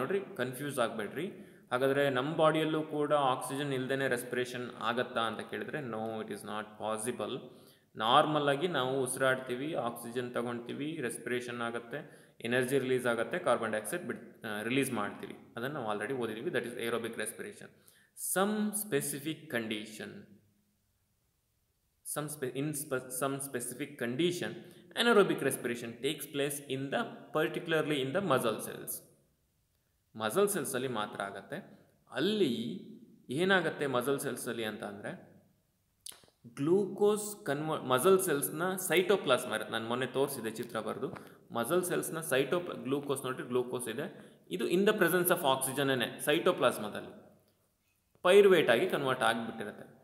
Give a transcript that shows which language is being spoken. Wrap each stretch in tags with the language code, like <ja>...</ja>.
<kn>ನೋಡಿರಿ ಕನ್ಫ್ಯೂಸ್ ಆಗಬೇಡ್ರಿ. ಹಾಗಾದರೆ ನಮ್ಮ ಬಾಡಿಯಲ್ಲೂ ಕೂಡ ಆಕ್ಸಿಜನ್ ಇಲ್ಲದೇ ರೆಸ್ಪಿರೇಷನ್ ಆಗತ್ತಾ ಅಂತ ಕೇಳಿದ್ರೆ</kn> <en>No, it is not possible.</en> <kn>ನಾರ್ಮಲಾಗಿ ನಾವು ಉಸಿರಾಡ್ತೀವಿ, ಆಕ್ಸಿಜನ್ ತಗೊಳ್ತೀವಿ, ರೆಸ್ಪಿರೇಷನ್ ಆಗುತ್ತೆ, ಎನರ್ಜಿ ರಿಲೀಸ್ ಆಗುತ್ತೆ, ಕಾರ್ಬನ್ ಡೈಆಕ್ಸೈಡ್ ರಿಲೀಸ್ ಮಾಡ್ತೀವಿ. ಅದನ್ನು ನಾವು already ಓದಿದ್ದೀವಿ,</kn> <en>That is aerobic respiration. Some specific condition, some specific condition, anaerobic respiration takes place in the particularly in the muscle cells.</en> <kn>Muscle cells ಅಲ್ಲಿ ಮಾತ್ರ ಆಗುತ್ತೆ. ಅಲ್ಲಿ ಏನಾಗುತ್ತೆ muscle cells ಅಲ್ಲಿ ಅಂತ ಅಂದ್ರೆ ಗ್ಲೂಕೋಸ್ ಕನ್ವರ್ಟ್ ಮಸಲ್ ಸೆಲ್ಸ್ನ ಸೈಟೋಪ್ಲಾಸ್ಮ ಇರುತ್ತೆ. ನಾನು ಮೊನ್ನೆ ತೋರಿಸಿದೆ ಚಿತ್ರ ಬರೆದು, ಮಸಲ್ ಸೆಲ್ಸ್ನ ಸೈಟೋ ಗ್ಲೂಕೋಸ್ ನೋಡಿ, ಗ್ಲೂಕೋಸ್ ಇದೆ, ಇದು</kn> <en>in the presence of ಆಕ್ಸಿಜನ್ನೇ</en> <kn>ಸೈಟೋಪ್ಲಾಸ್ಮದಲ್ಲಿ ಪೈರ್ವೇಟ್ ಆಗಿ ಕನ್ವರ್ಟ್ ಆಗಿಬಿಟ್ಟಿರುತ್ತೆ.</kn>